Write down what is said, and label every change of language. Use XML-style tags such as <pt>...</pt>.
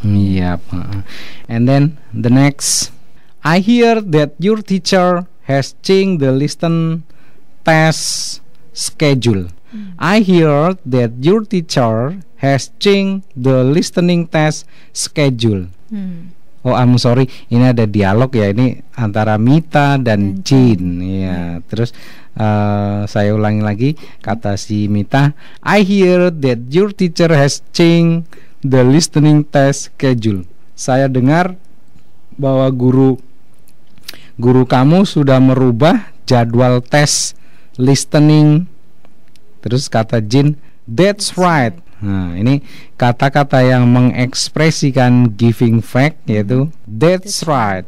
<id>Iya,</id> <en>and then the next, I hear that your teacher has changed the listen test schedule. I hear that your teacher has changed the listening test schedule. Oh, I'm sorry.</en> <id>Ini ada dialog ya, ini antara Mita dan Jin. Terus saya ulangi lagi, kata si Mita,</id> <en>I hear that your teacher has changed the listening test schedule.</en> <id>Saya dengar bahwa guru kamu sudah merubah jadwal tes listening. Terus kata Jin,</id> <en>that's right.</en> <id>Nah, ini kata-kata yang mengekspresikan</id> <en>giving fact,</en> <id>yaitu that's right.</id>